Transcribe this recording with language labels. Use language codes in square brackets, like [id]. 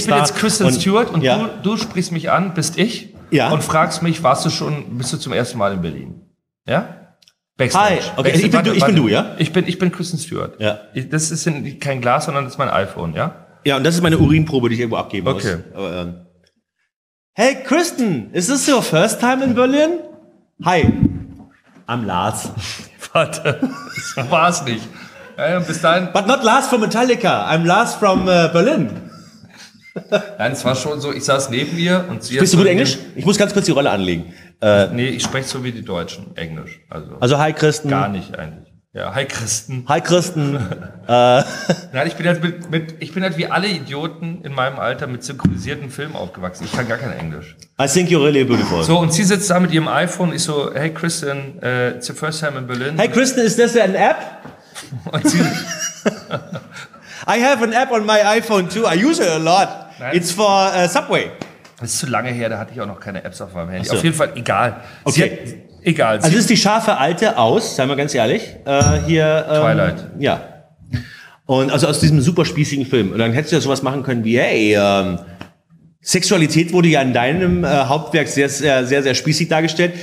[de] Ich bin jetzt Kristen Stewart und du sprichst mich an, bist ich. Ja. Und fragst mich, bist du zum ersten Mal in Berlin? Ja? Backstage. Hi. Okay. Ich bin du, ja? Ich bin Kristen Stewart. Ja. Das ist kein Glas, sondern das ist mein iPhone, ja? Ja, und das ist meine Urinprobe, die ich irgendwo abgeben muss. Okay. [en] Hey, Kristen, is this your first time in Berlin? Hi. I'm Lars. [de] Warte. Das war's nicht. Ja, bis dahin. [en] But not Lars from Metallica, I'm Lars from Berlin. [de] Nein, es war schon so, ich saß neben ihr und sie... Sprichst du gut Englisch? Ich muss ganz kurz die Rolle anlegen. Nee, ich spreche so wie die Deutschen, Englisch. Also hi Christen. Gar nicht eigentlich. Ja, hi Christen. Hi Christen. Nein, ich bin halt wie alle Idioten in meinem Alter mit synchronisierten Filmen aufgewachsen. Ich kann gar kein Englisch. [en] I think you're really beautiful. [de] So, und sie sitzt da mit ihrem iPhone, ich so, [en] hey Christen, it's your first time in Berlin. Hey Christen, is this an app? [de] Und sie... [en] I have an app on my iPhone too. I use it a lot. [de] Nein. [en] It's for Subway. [de] Das ist zu lange her, da hatte ich auch noch keine Apps auf meinem Handy. So. Auf jeden Fall, egal. Okay. Egal. Also ist die scharfe Alte aus, seien wir ganz ehrlich, hier. Twilight. Ja. Und also aus diesem superspießigen Film. Und dann hättest du ja sowas machen können wie, hey, Sexualität wurde ja in deinem Hauptwerk sehr, sehr, sehr, sehr spießig dargestellt.